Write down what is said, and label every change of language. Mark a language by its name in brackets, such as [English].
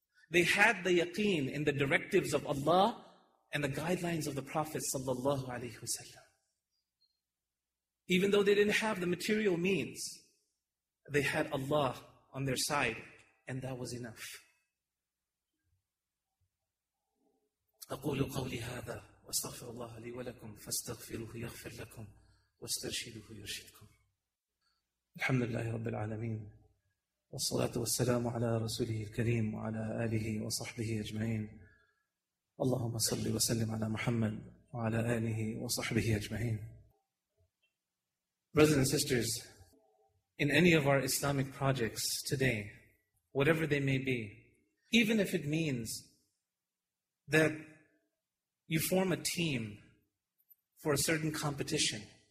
[English] They had the yaqeen in the directives of Allah and the guidelines of the Prophet sallallahu alayhi wa sallam. Even though they didn't have the material means, they had Allah on their side, and that was enough. [Arabic] أقول قولي هذا واستغفر الله لي ولكم فاستغفروه يغفر لكم واسترشده يرشدكم. الحمد لله رب العالمين والصلاة والسلام على رسوله الكريم وعلى آله وصحبه أجمعين. اللهم صل وسلم على محمد وعلى آله وصحبه أجمعين. [English] Brothers and sisters, in any of our Islamic projects today, whatever they may be, even if it means that you form a team for a certain competition